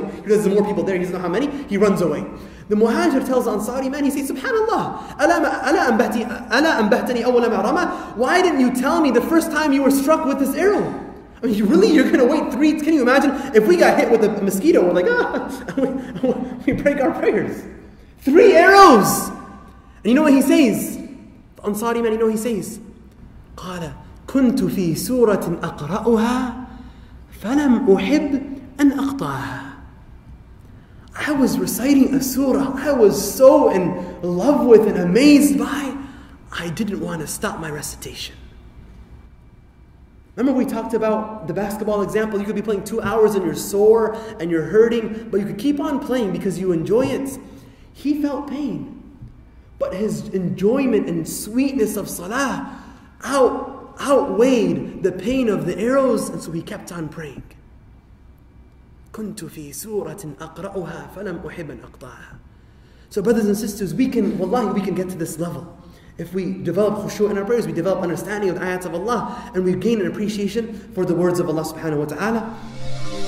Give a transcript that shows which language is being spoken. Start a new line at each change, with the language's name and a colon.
English: Because there's more people there, he doesn't know how many, he runs away. The Muhajir tells the Ansari man, he says, Subhanallah,
Arabic: ala anbahtani awwala ma rama,
English: why didn't you tell me the first time you were struck with this arrow? I mean, you're going to wait three, can you imagine? If we got hit with a mosquito, we're like, we break our prayers. Three arrows! And you know what he says? The Ansari man, you know what he says?
Arabic: قال, كنت في سورة أقرأها فلم أحب أن أقطعها.
English: I was reciting a surah I was so in love with and amazed by, I didn't want to stop my recitation. Remember we talked about the basketball example? You could be playing 2 hours and you're sore and you're hurting, but you could keep on playing because you enjoy it. He felt pain, but his enjoyment and sweetness of salah outweighed the pain of the arrows, and so he kept on praying.
Arabic: كنت في سورة أقرأها فلم أحب أن أقطعها.
English: So brothers and sisters, we can get to this level. If we develop khushu' in our prayers, we develop understanding of the ayats of Allah, and we gain an appreciation for the words of Allah subhanahu wa ta'ala.